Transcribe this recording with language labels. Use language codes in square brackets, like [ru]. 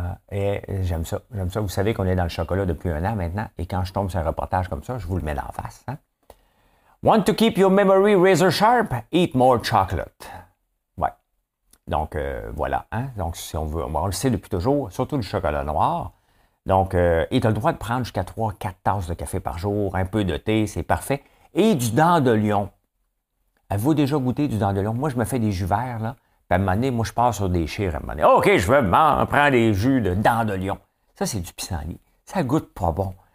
[fr] Et j'aime ça. Vous savez qu'on est dans le chocolat depuis un an maintenant, et quand je tombe sur un reportage comme ça, je vous le mets en face. Hein? [en] Want to keep your memory razor sharp? Eat more chocolate. [fr] Ouais. Donc, voilà. Hein? Donc, si on veut, on le sait depuis toujours, surtout le chocolat noir. Donc, et tu as le droit de prendre jusqu'à 3-4 tasses de café par jour, un peu de thé, c'est parfait. Et du dent de lion. Avez-vous déjà goûté du dent de lion? Moi, je me fais des jus verts, là. Puis à un moment donné, moi, je pars sur des chires à un moment donné. OK, je veux m'en prendre des jus de dent de lion. Ça, c'est du pissenlit. Ça goûte pas bon.